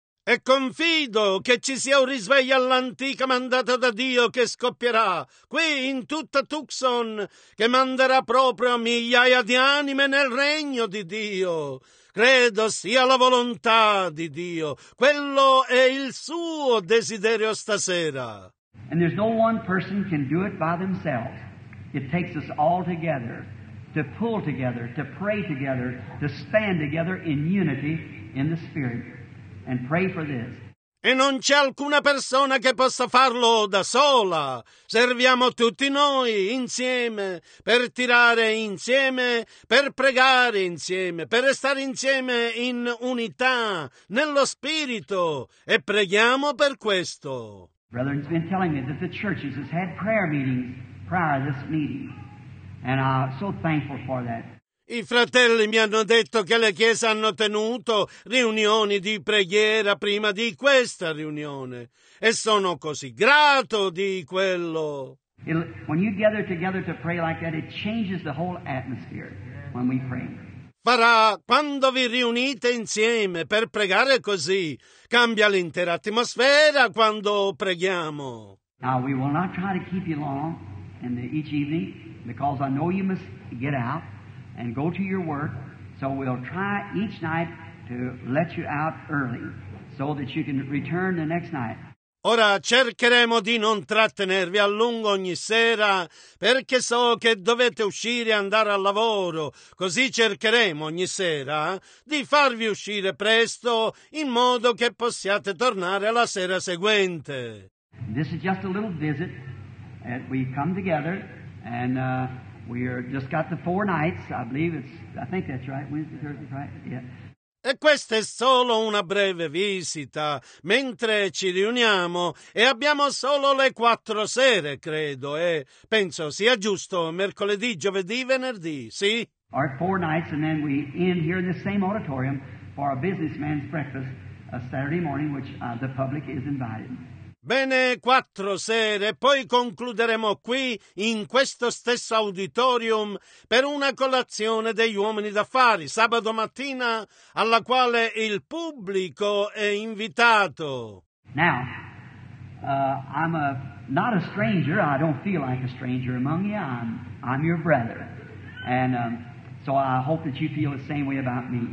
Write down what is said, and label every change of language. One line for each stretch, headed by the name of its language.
Italian: E confido che ci sia un risveglio all'antica mandata da Dio che scoppierà qui in tutta Tucson, che manderà proprio migliaia di anime nel regno di Dio. Credo sia la volontà di Dio. Quello è il suo desiderio stasera.
English: And there's no one person can do it by themselves. It takes us all together. To pull together, to pray together, to stand together in unity in the Spirit and pray for this.
Italian: E non c'è alcuna persona che possa farlo da sola. Serviamo tutti noi insieme per tirare insieme, per pregare insieme, per restare insieme in unità, nello Spirito, e preghiamo per questo.
English: Brethren, it's been telling me that the churches has had prayer meetings prior to this meeting. And I'm so thankful for that.
Italian: I fratelli mi hanno detto che le chiese hanno tenuto riunioni di preghiera prima di questa riunione. E sono così grato di quello.
English: When you gather together to pray like that, it changes the whole atmosphere when we pray.
Italian: Farà, quando vi riunite insieme per pregare così, cambia l'intera atmosfera quando preghiamo.
English: Now we will not try to keep you long in each evening. Because I know you must get out and go to your work, so we'll try each night to let you out early, so that you can return the next night.
Italian: Ora cercheremo di non trattenervi a lungo ogni sera, perché so che dovete uscire e andare al lavoro. Così cercheremo ogni sera di farvi uscire presto, in modo che possiate tornare la sera seguente.
English: This is just a little visit, and we come together. And we are just got the four nights, I believe it's, I think that's right, Wednesday, Thursday, Friday, yeah.
Italian: E questa è solo una breve visita, mentre ci riuniamo, e abbiamo solo le quattro sere, credo, e penso sia giusto mercoledì, giovedì, venerdì, sì?
English: Our four nights, and then we end here in the same auditorium for a businessman's breakfast, a Saturday morning, which the public is invited.
Italian: Bene, quattro sere, poi concluderemo qui, in questo stesso auditorium, per una colazione degli uomini d'affari, sabato mattina, alla quale il pubblico è invitato.
English: Now, I'm not a stranger, I don't feel like a stranger among you, I'm your brother, and so I hope that you feel the same way about me.